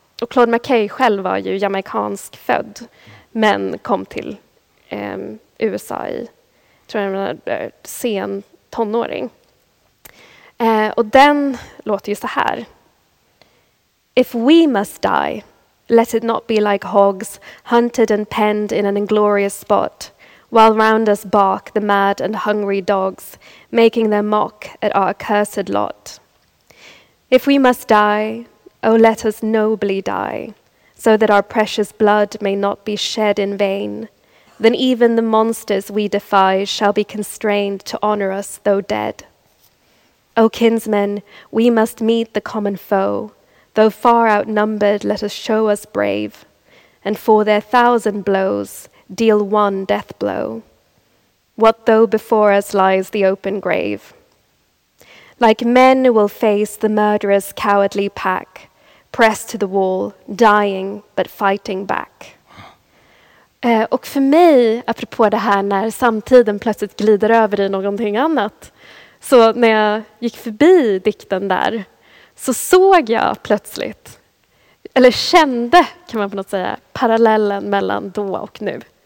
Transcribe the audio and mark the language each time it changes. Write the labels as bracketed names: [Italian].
[Swedish] Och Claude McKay själv var ju jamaikansk född, men kom till USA i, tror jag, sen tonåring. Och den låter ju så här. [English] If we must die, let it not be like hogs, hunted and penned in an inglorious spot, while round us bark the mad and hungry dogs, making their mock at our accursed lot. If we must die, oh, let us nobly die, so that our precious blood may not be shed in vain. Then even the monsters we defy shall be constrained to honor us, though dead. O kinsmen, we must meet the common foe. Though far outnumbered, let us show us brave, and for their thousand blows, deal one death blow. What though before us lies the open grave? Like men who will face the murderous cowardly pack, pressed to the wall, dying but fighting back. [Swedish] Och för mig, apropå det här när samtiden plötsligt glider över i någonting annat, så när jag gick förbi dikten där, så såg jag plötsligt, eller kände, kan man på något säga, parallellen mellan då och nu.